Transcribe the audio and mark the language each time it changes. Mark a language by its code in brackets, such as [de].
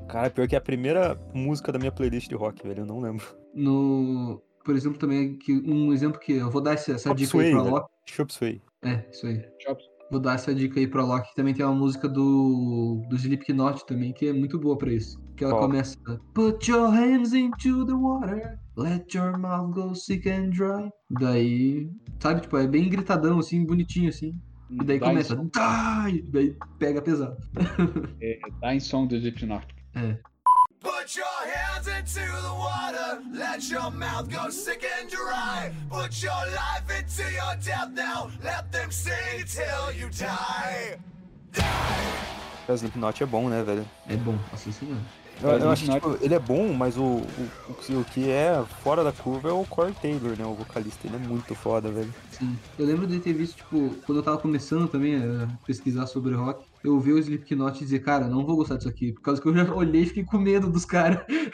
[pt] Cara, pior que é a primeira música da minha playlist de rock, velho, eu não lembro. No, por exemplo, também, um exemplo que eu vou dar essa dica aí pra Loki. Chop Suey. É, isso aí. Vou dar essa dica aí pra Loki, que também tem uma música do Slipknot também, que é muito boa pra isso. Que ela começa... [en] Put your hands into the water, let your mouth go sick and dry. [pt] Daí, sabe, tipo, é bem gritadão, assim, bonitinho, assim. E daí começa, dai! E daí pega pesado. É, dá em som do Deep Nord. É. [en] Put your hands into the water, let your mouth go sick and dry. Put your life into your death now, let them sing till you die. Die! [pt] O Slipknot é bom, né, velho? É bom, assim sim, né? Eu acho que tipo, ele é bom, mas o que é fora da curva é o Corey Taylor, né, o vocalista. Ele é muito foda, velho. Sim, eu lembro de ter visto, tipo, quando eu tava começando também a pesquisar sobre rock, eu ouvi o Slipknot e dizer, cara, não vou gostar disso aqui, por causa que eu já olhei e fiquei com medo dos caras.